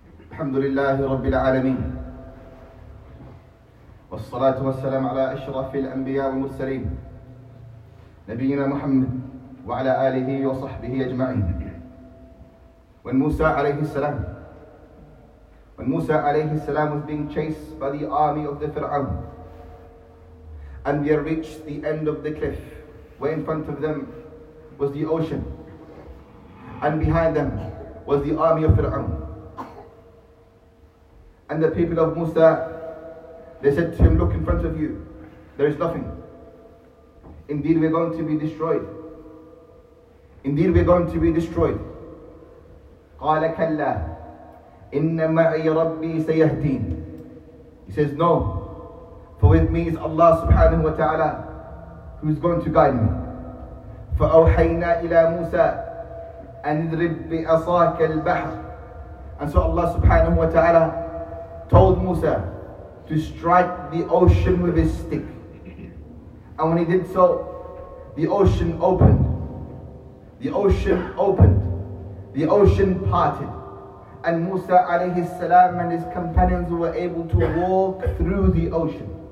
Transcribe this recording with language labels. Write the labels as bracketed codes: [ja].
[ar] الحمد لله رب العالمين والصلاة والسلام على أشرف الأنبياء والمرسلين نبينا محمد وعلى آله وصحبه أجمعين. [en] When Musa عليه السلام was being chased by the army of the Fir'aun and they reached the end of the cliff where in front of them was the ocean and behind them was the army of Fir'aun. And the people of Musa, they said to him, look in front of you, there is nothing. Indeed, we're going to be destroyed. Indeed, we're going to be destroyed. [ar] قال كلا إن معي ربي سيهدين. [en] He says, no, for with me is Allah subhanahu wa ta'ala who is going to guide me. [ar] فأوحينا إلى موسى أن اضرب بعصاك البحر. [en] And so Allah subhanahu wa ta'ala told Musa to strike the ocean with his stick. And when he did so, the ocean parted. And Musa alayhi salam and his companions were able to walk through the ocean.